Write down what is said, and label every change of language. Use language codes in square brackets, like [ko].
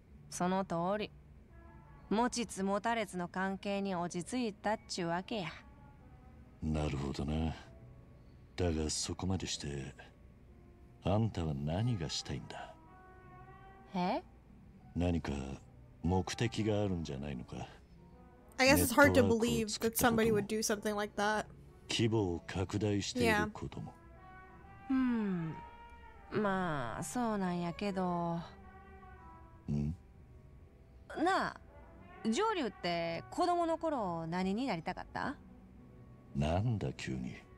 [ja] その通り、持ちつ持たれつの関係に落ち着いたっちゅうわけや。なるほどな。だがそこまでしてあんたは何がしたいんだ？え？何か目的があるんじゃないのか？ [en] I guess it's hard to believe that somebody would do something like that. [ja] 規模を拡大していることも。 [en] Yeah. [ja] まあそうなんやけど。ん？なあ、ジョリューって子供の頃何になりたかった？なんだ急に。